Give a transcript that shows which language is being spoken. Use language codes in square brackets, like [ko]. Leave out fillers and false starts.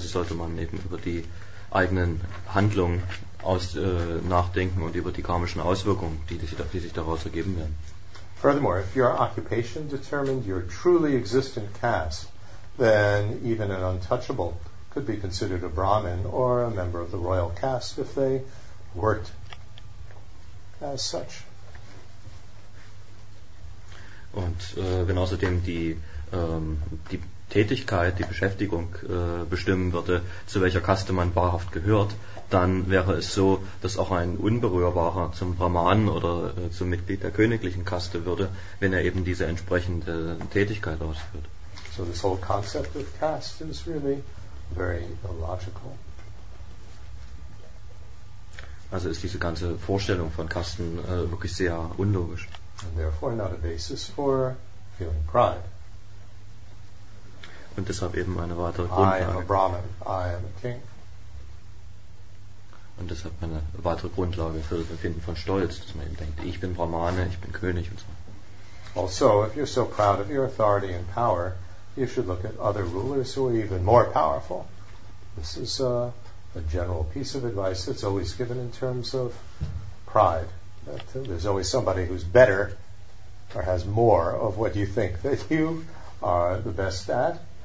[de] Also sollte man eben über die eigenen Handlungen nachdenken und über die karmischen Auswirkungen, die sich daraus ergeben werden. [en] Furthermore, if your occupation determined your truly existent caste, then even an untouchable could be considered a Brahmin or a member of the royal caste if they worked as such. [de] Und wenn außerdem die Tätigkeit, die Beschäftigung bestimmen würde, zu welcher Kaste man wahrhaft gehört, dann wäre es so, dass auch ein Unberührbarer zum Brahmanen oder zum Mitglied der königlichen Kaste würde, wenn er eben diese entsprechende Tätigkeit ausführt. [en] So this whole concept of caste is really very illogical. [de] Also ist diese ganze Vorstellung von Kasten wirklich sehr unlogisch. [en] And therefore not a basis for feeling pride. [de] Und deshalb eben eine weitere Grundlage. [en] I am a Brahmin, I am a king. [de] Und deshalb eine weitere Grundlage für das Empfinden von Stolz, dass man eben denkt, ich bin Brahmane, ich bin König und so. [en] Also, if you're so proud of your authority and power, you should look at other rulers who are even more powerful. This is a general piece of advice that's always given in terms of pride. That there's always somebody who's better or has more of what you think that you are the best at.